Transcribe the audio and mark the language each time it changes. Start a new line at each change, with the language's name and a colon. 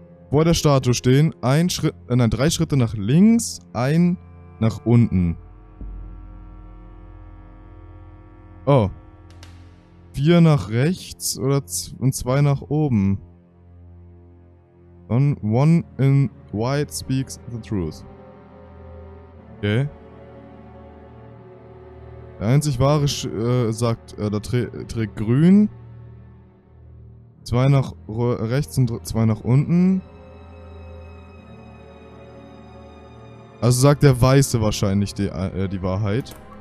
German: Vor der Statue stehen, drei Schritte nach links, ein nach unten. Oh. Vier nach rechts oder und zwei nach oben.
English: Dann one in white speaks the truth.
German: Okay. Der einzig wahre trägt grün. Zwei nach rechts und zwei nach unten. Also sagt der Weiße wahrscheinlich die Wahrheit.